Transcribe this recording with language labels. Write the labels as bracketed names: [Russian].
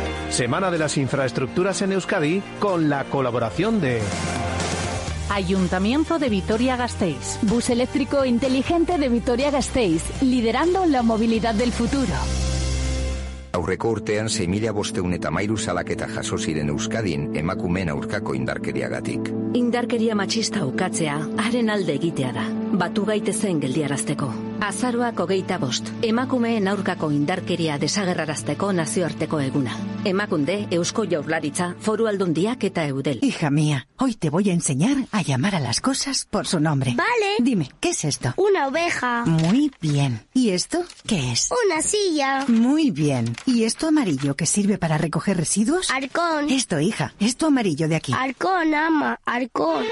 [Spanish] Semana de las infraestructuras en Euskadi con la colaboración de Ayuntamiento de Vitoria-Gasteiz. Bus eléctrico inteligente de Vitoria-Gasteiz, liderando la movilidad del futuro. [Basque] Aurreko urtean 6.513 salaketa jaso ziren Euskadin emakumeen aurkako indarkeriagatik. Indarkeria matxista ukatzea, haren alde egitea da. Batu gaitezen geldiarazteko. Azaroak 25, emakumeen aurkako indarkeria desagerrarazteko nazioarteko eguna. Emakunde, Eusko Jaurlaritza, Foru Aldundiak eta Eudel. [Spanish] Hija mía, hoy te voy a enseñar a llamar a las cosas por su nombre. Vale. Dime, ¿qué es esto? Una oveja. Muy bien. ¿Y esto qué es? Una silla. Muy bien. ¿Y esto amarillo que sirve para recoger residuos? Arcón. Esto, hija, esto amarillo de aquí. Arcón, ama, Arcón.